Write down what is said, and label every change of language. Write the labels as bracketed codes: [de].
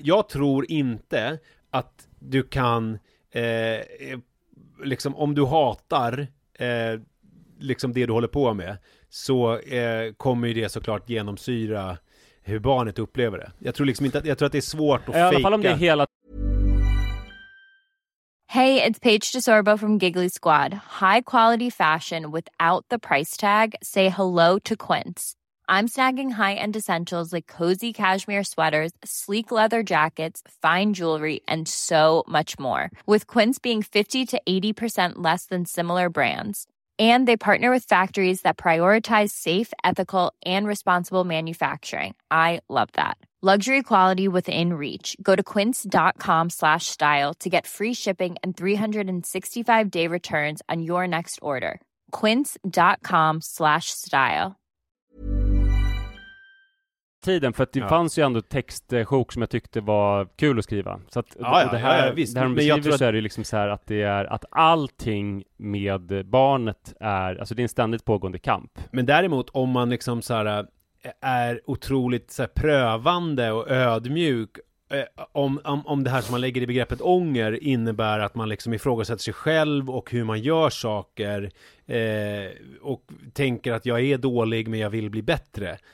[sv] jag tror inte att du kan liksom, om du hatar liksom det du håller på med, så kommer ju det såklart genomsyra hur barnet upplever det. Jag tror liksom inte att, jag tror att det är svårt att fejka. I alla fall om det är hela. [en] Hey, it's Paige DeSorbo from Giggly Squad. High quality fashion without the price tag. Say hello to Quince. I'm snagging high-end essentials like cozy cashmere sweaters, sleek leather jackets, fine jewelry, and so much more. With Quince being 50 to 80% less than similar brands. And they partner with factories that prioritize safe, ethical, and responsible manufacturing. I love that. Luxury quality within reach. Go to Quince.com/style to get free shipping and 365-day returns on your next order. Quince.com/style. [sv] Tiden, för att det fanns ju ändå textsjok som jag tyckte var kul att skriva. Så att visst. Det här de beskriver så är det liksom så här att det är att allting med barnet är, alltså det är en ständigt pågående kamp. Men däremot, om man liksom så här är otroligt så här prövande och ödmjuk, om det här som man lägger i begreppet ånger innebär att man liksom ifrågasätter sig själv och hur man gör saker, och tänker att jag är dålig men jag vill bli bättre.